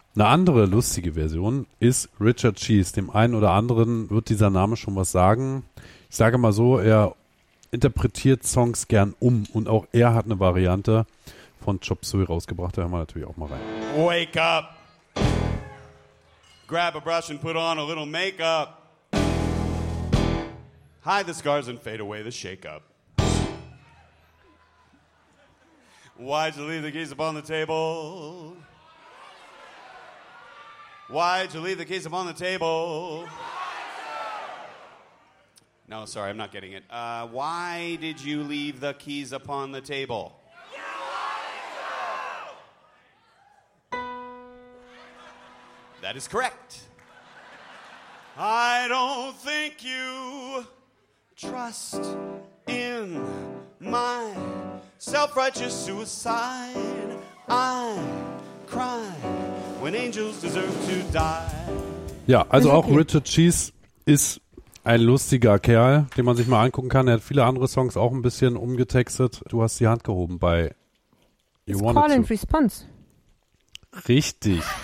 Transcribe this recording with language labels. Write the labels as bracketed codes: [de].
[de] Eine andere lustige Version ist Richard Cheese. Dem einen oder anderen wird dieser Name schon was sagen. Ich sage mal so, er interpretiert Songs gern um. Und auch er hat eine Variante von Chop Suey rausgebracht. Da hören wir natürlich auch mal rein. [en] Wake up. Grab a brush and put on a little makeup. Hide the scars and fade away the shake-up. Why'd you leave the keys upon the table? Why'd you leave the keys upon the table? No, sorry, I'm not getting it. Why did you leave the keys upon the table? That is correct. I don't think you trust in my self-righteous suicide. I cry when angels deserve to die. [de] Ja, also auch Richard Cheese ist ein lustiger Kerl, den man sich mal angucken kann. Er hat viele andere Songs auch ein bisschen umgetextet. Du hast die Hand gehoben bei [en] You Wanted To. Call and Response. [de] Richtig.